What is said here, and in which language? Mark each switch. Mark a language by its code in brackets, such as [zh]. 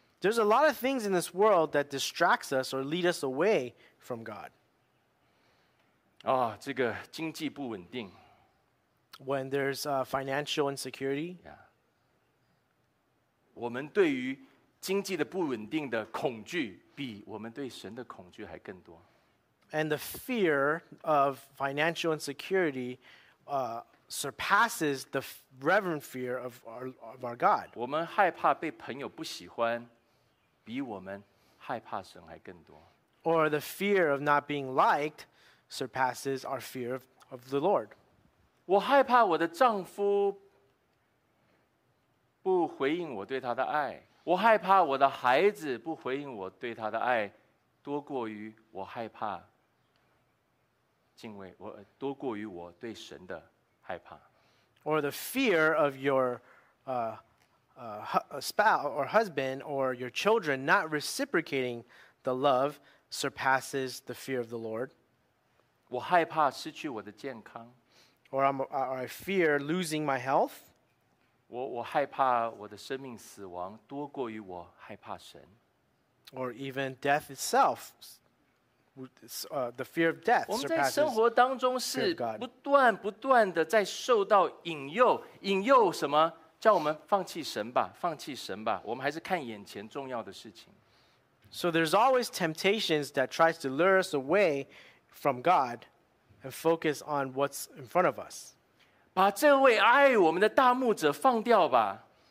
[en] There's a lot of things in this world that distracts us or lead us away from God. [zh] 哦，这个经济不稳定。 [en] When there's financial insecurity. Yeah. [zh] 我们对于经济的不稳定的恐惧比我们对神的恐惧还更多。 [en] And the fear of financial insecurity surpasses the reverent fear of our God. [zh] 我们害怕被朋友不喜欢比我们害怕神还更多。 [en] Or the fear of not being liked surpasses our fear of the Lord. [zh] 我害怕我的丈夫不回应我对他的爱，我害怕我的孩子不回应我对他的爱，多过于我害怕敬畏，我多过于我对神的害怕。 [en] Or the fear of your spouse or husband or your children not reciprocating the love surpasses the fear of the Lord. [zh] 我害怕失去我的健康。 [en] Or I fear losing my health. [zh] 我害怕我的生命死亡多过于我害怕神。 [en] Or even death itself. The fear of death surpasses fear of God. [zh] 我们在生活当中是不断不断的在受到引诱，引诱什么？叫我们放弃神吧，放弃神吧。我们还是看眼前重要的事情。 [en] So there's always temptations that tries to lure us away from God and focus on what's in front of us. [zh] 把这位爱我们的大牧者放掉吧。